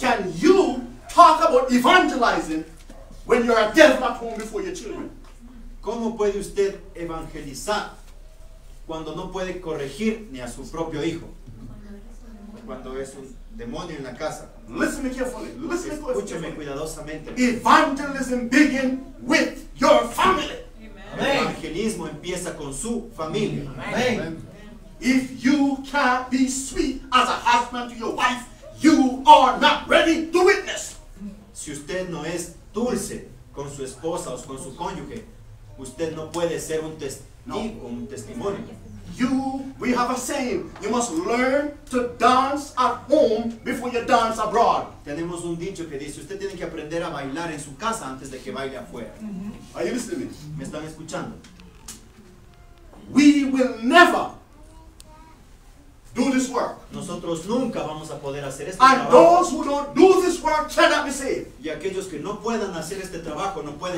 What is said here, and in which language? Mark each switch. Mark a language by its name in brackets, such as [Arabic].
[English] can you talk about evangelizing when you're a devil at home before your children? [Spanish] ¿Cómo puede usted evangelizar cuando no puede corregir ni a su propio hijo? Cuando es un demonio en la casa. [English] Listen me carefully. Listen to me. [Spanish] Escúcheme cuidadosamente. [English] Evangelism begin with your family. [Spanish] Amen. Evangelismo empieza con su familia. Amen. Amen. [English] If you can't be sweet as a husband to your wife, you are not ready to witness. [Spanish] Si usted no es dulce con su esposa o con su cónyuge, usted no puede ser un testigo, un testimonio. [English] We have a saying, you must learn to dance at home before you dance abroad. [Spanish] Tenemos un dicho que dice, usted tiene que aprender a bailar en su casa antes de que baile afuera. [English] Mm-hmm. Are you listening? [Spanish] ¿Me están escuchando? [English] We will never do this work. [Spanish] Nosotros nunca vamos a poder hacer este [English] and [Spanish] trabajo. [English] And those who don't do this work cannot be saved. [Spanish] Y aquellos que no puedan hacer este trabajo no pueden